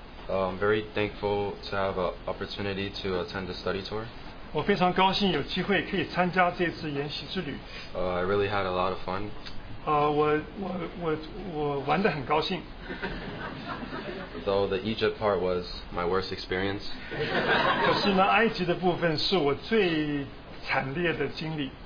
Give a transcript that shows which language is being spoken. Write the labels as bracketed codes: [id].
[en] I'm very thankful to have an opportunity to attend the study tour. [zh] 我非常高兴有机会可以参加这次研习之旅。 [en] I really had a lot of fun. [zh] 我玩得很高兴。 [en] Though the Egypt part was my worst experience. [zh] 可是呢，埃及的部分是我最惨烈的经历。